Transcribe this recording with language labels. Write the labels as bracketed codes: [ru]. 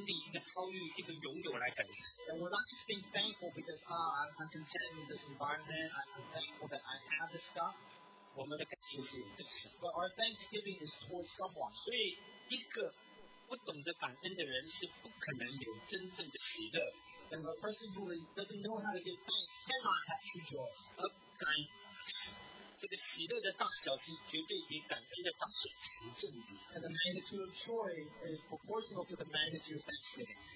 [en] And we're not just being thankful because, I'm content in this environment, I'm thankful that I have this stuff. [zh] 我们的感谢是对神。 [en] But our thanksgiving is towards someone. [zh] 所以一个不懂得感恩的人是不可能有真正的喜乐。 [en] And a person who doesn't know how to give thanks cannot have true joy. [zh] 而感这个喜乐的大小是绝对与感恩的大小成正比。 [en] And the magnitude of joy is proportional to the magnitude of thanksgiving.